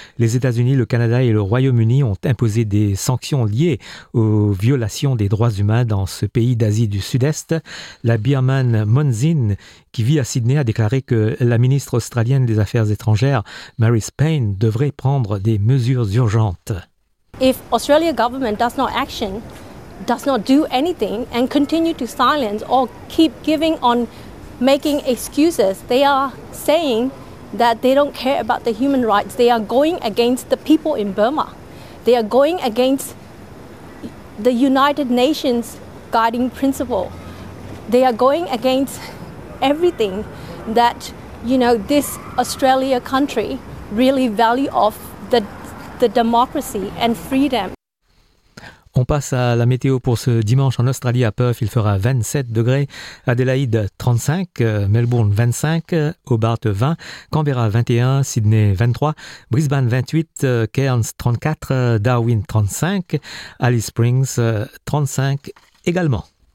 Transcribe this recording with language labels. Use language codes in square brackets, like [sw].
[fr] Les États-Unis, le Canada et le Royaume-Uni ont imposé des sanctions liées aux violations des droits humains dans ce pays d'Asie du Sud-Est. La Birmane Monzin, qui vit à Sydney, a déclaré que la ministre australienne des Affaires étrangères, Mary Spain, devrait prendre des mesures urgentes. [en] If Australia government does not action, does not do anything and continue to silence or keep giving on making excuses, they are saying that they don't care about the human rights. They are going against the people in Burma. They are going against the United Nations guiding principle. They are going against everything that, you know, this Australia country really value of the democracy and freedom. [fr] On passe à la météo pour ce dimanche en Australie. À Perth, il fera 27 degrés, Adélaïde 35, Melbourne 25, Hobart 20, Canberra 21, Sydney 23, Brisbane 28, Cairns 34, Darwin 35, Alice Springs 35 également.